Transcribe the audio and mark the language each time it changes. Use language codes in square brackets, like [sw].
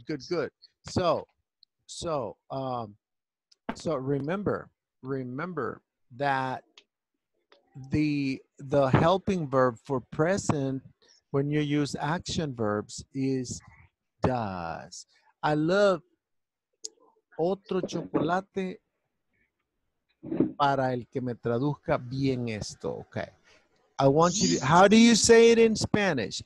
[en] good. So remember. Remember that the helping verb for present when you use action verbs is does. I love [es] otro chocolate para el que me traduzca bien esto. [en] Okay. I want you to, how do you say it in Spanish?